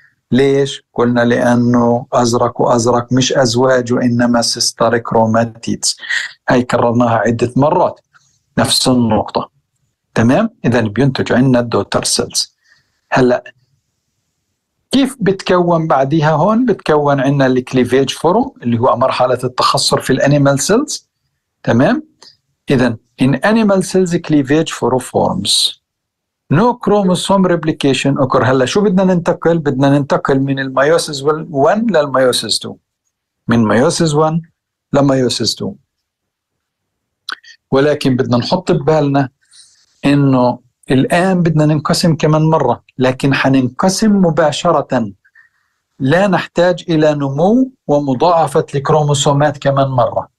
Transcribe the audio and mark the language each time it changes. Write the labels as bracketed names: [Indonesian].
[Arabic] ليش؟ قلنا لانه ازرق وازرق مش ازواج وانما سيستر كروماتيدز، هاي كررناها عدة مرات نفس النقطة. تمام، اذا بينتج عندنا الدوتر سيلز. هلا كيف بتكون بعديها؟ هون بتكون عندنا الكليفيج فورم اللي هو مرحلة التخصر في الانيمال سيلز. تمام، إذن [English] in animal cells cleavage forms no chromosome replication occur. [Arabic] هلا شو بدنا ننتقل؟ بدنا ننتقل من الميوسيس 1 للميوسيس 2، من ميوسيس 1 لميوسيس 2. ولكن بدنا نحط ببالنا انه الآن بدنا ننقسم كمان مرة، لكن حننقسم مباشرة، لا نحتاج إلى نمو ومضاعفة الكروموسومات كمان مرة.